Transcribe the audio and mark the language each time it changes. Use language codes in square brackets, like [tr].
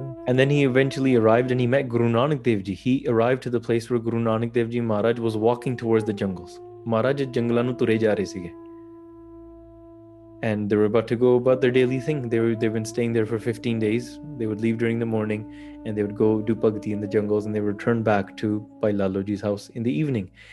[en] And then he eventually arrived and he met Guru Nanak Dev Ji. He arrived to the place where Guru Nanak Dev Ji Maharaj was walking towards the jungles. [pa] Maharaj jungle-ਾਂ ਨੂੰ ਤੁਰੇ ਜਾ ਰਹੇ ਸੀਗੇ. [en] And they were about to go about their daily thing. They've been staying there for 15 days. They would leave during the morning and they would go do bhakti in the jungles and they would return back to Bhai Lalo Ji's house in the evening.